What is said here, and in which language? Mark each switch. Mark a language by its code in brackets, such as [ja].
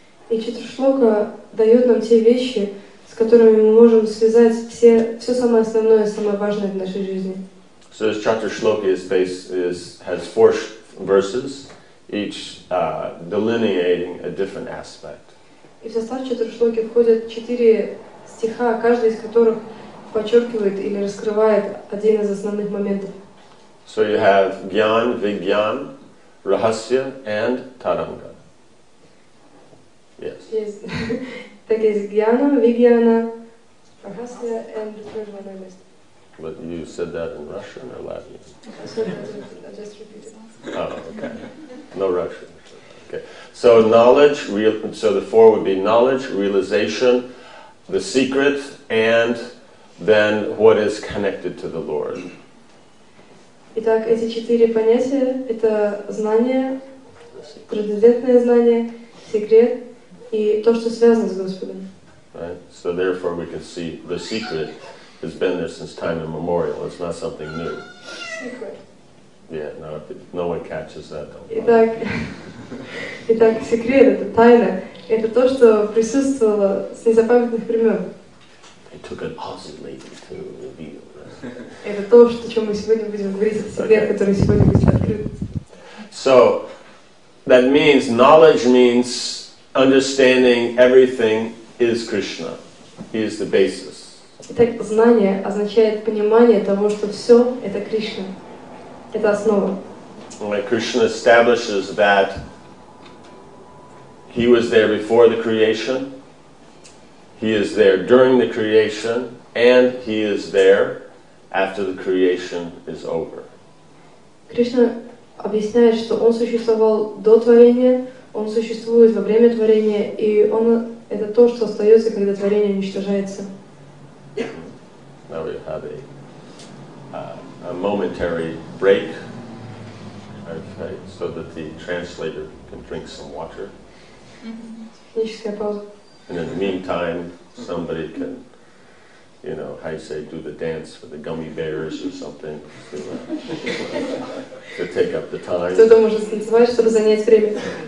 [ru] И Чатуршлока дает нам те вещи, с которыми мы можем связать все самое основное, самое важное в нашей жизни. [en] So this Chaturshloki has four verses, each delineating a different aspect. [ru] И в состав Чатуршлоки входят четыре стиха, каждый из которых подчеркивает или раскрывает один из основных моментов. [en] So you have Gyan, Vigyan, Rahasya, and Taranga. Yes. Yes. [ru] Так есть Гьяна, Вигьяна, Рахасья, [en] and third one I missed. But you said that in Russian or Latin? I just repeated. Oh, okay. No Russian. Okay. So knowledge, so the four would be knowledge, realization, the secret, and then what is connected to the Lord. [ru] Итак, эти четыре понятия — это знание, трансцендентное знание, секрет и то, что связано с Господом. [en] Right. So therefore we can see the secret has been there since time immemorial. It's not something new. Secret. Yeah, no, no one catches that. [ru] Итак, секрет — это тайна. Это то, что присутствовало с незапамятных времен. [en] They took an awesome lady to reveal. [ru] Это то, о чем мы сегодня будем говорить, это секрет, который сегодня будет открыт. [en] So, that means, knowledge means understanding everything is Krishna. He is the basis. [ru] Итак, знание означает понимание того, что все — это Кришна. Это основа. [en] Like Krishna establishes that He was there before the creation, He is there during the creation, and He is there after the creation is over. [ru] Кришна объясняет, что он существовал до творения, он существует во время творения, и он это то, что остается, когда творение уничтожается. [en] Now we have a momentary break, okay, so that the translator can drink some water. [ru] Техническая пауза. [en] And in the meantime, somebody can, you know, how you say, do the dance for the gummy bears or something to take up the time. [ru] Кто-то может танцевать, чтобы занять время.